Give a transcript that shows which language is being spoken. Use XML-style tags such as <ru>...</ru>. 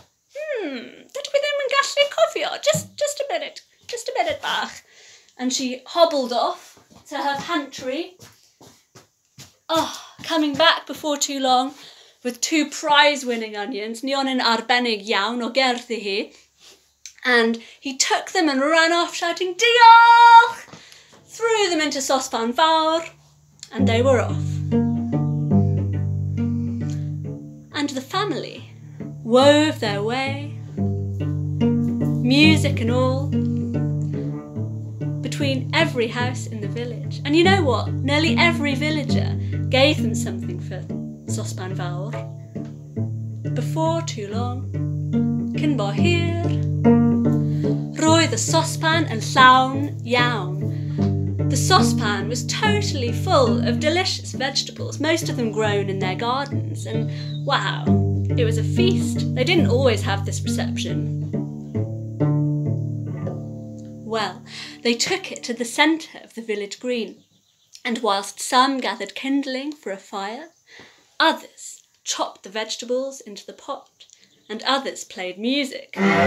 <cy>Dydw I ddim yn gallu cofio.</cy> <en>Just a minute. Just a minute, bach. And she hobbled off to her pantry. Oh, coming back before too long with two prize-winning onions,</en> <cy>nionyn arbennig iawn o gerddi hi.</cy> <en>And he took them and ran off shouting, Diolch! Threw them into Saucepan Fawr, and they were off. And the family wove their way, music and all, between every house in the village. And you know what? Nearly every villager gave them something for Sospan Fawr. Before too long,</en> <cy>cyn bo hir, roedd y sospan yn llawn iawn.</cy> <en>The saucepan was totally full of delicious vegetables, most of them grown in their gardens, and wow, it was a feast. They didn't always have this reception. Well, they took it to the centre of the village green, and whilst some gathered kindling for a fire, others chopped the vegetables into the pot, and others played music.</en>